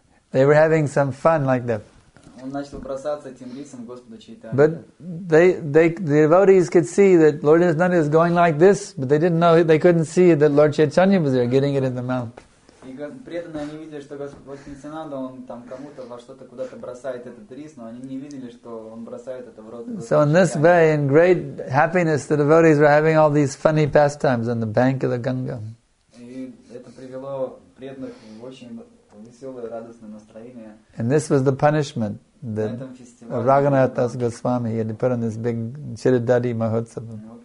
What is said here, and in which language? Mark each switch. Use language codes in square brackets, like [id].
[en] They were having some fun like that. But the devotees could see that Lord Nityananda is going like this, but they didn't know, they couldn't see that Lord Chaitanya was there getting it in the mouth. [ru] Преданные они видели, что Господь Нитянанда, он там кому-то во что-то куда-то бросает этот рис, но они не видели, что он бросает это в рот. [en] So in this way, in great happiness, the devotees were having all these funny pastimes on the bank of the Ganga. [ru] И это привело преданных в очень веселое, радостное настроение. [en] And this was the punishment that Raghunath Das Goswami had to put on this big Chittadadi Mahotsava.